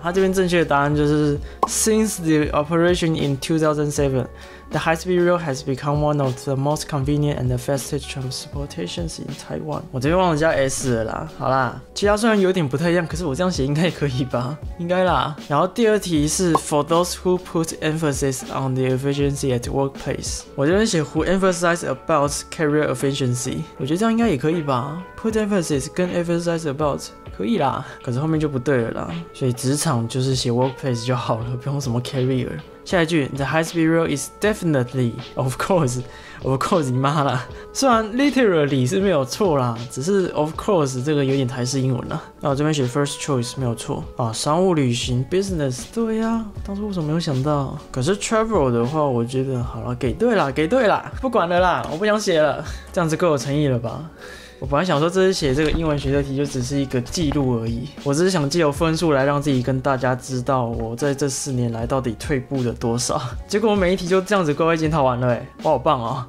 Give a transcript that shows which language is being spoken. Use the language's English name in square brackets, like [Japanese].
[English] 他这边正确的答案就是，Since the operation in 2007, the high-speed rail has become one of the most convenient and the fastest transportations in Taiwan。 [Chinese] 我这边忘了加 S 了啦。好啦，其他虽然有点不太一样，可是我这样写应该也可以吧？应该啦。 [English] 然后第二题是 ，For those who put emphasis on the efficiency at workplace。我这边写 who emphasize about career efficiency。 [Chinese] 我觉得这样应该也可以吧 ？ Put emphasis 跟 emphasize about。可以啦，可是后面就不对了啦，所以职场就是写 workplace 就好了，不用什么 career。下一句 ， The high speed rail is definitely, of course, of course 你妈啦，虽然 literally 是没有错啦，只是 of course 这个有点台式英文啦。那我这边写 first choice 没有错啊，商务旅行 business 对呀、啊，当初为什么没有想到？可是 travel 的话，我觉得好了，给对啦，给对啦，不管了啦，我不想写了，这样子够有诚意了吧？我本来想说这次写这个英文学的题就只是一个记录而已，我只是想借由分数来让自己跟大家知道我在这四年来到底退步了多少，结果每一题就这样子乖乖检讨完了，哎，我好棒哦。